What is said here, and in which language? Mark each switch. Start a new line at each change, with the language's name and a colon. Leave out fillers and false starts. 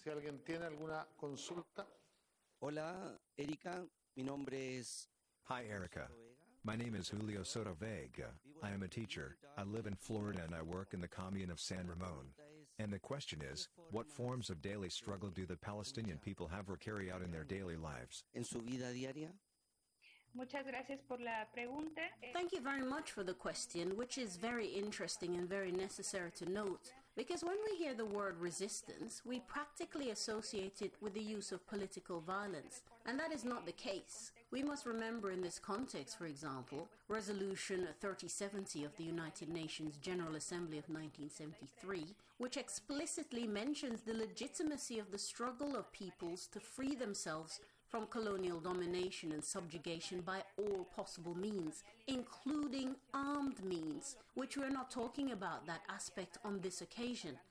Spanish: Hola, Erica. Mi nombre es...
English: Hi, Erica. My name is Julio Soto Vega. I am a teacher. I live in Florida and I work in the commune of San Ramon. And the question is, what forms of daily struggle do the Palestinian people have or carry out in their daily lives?
Spanish: En su vida diaria? Muchas gracias por la pregunta.
English: Thank you very much for the question, which is very interesting and very necessary to note. Because when we hear the word resistance, we practically associate it with the use of political violence. And that is not the case. We must remember in this context, for example, Resolution 3070 of the United Nations General Assembly of 1973, which explicitly mentions the legitimacy of the struggle of peoples to free themselves from colonial domination and subjugation by all possible means, including armed means, which we are not talking about that aspect on this occasion.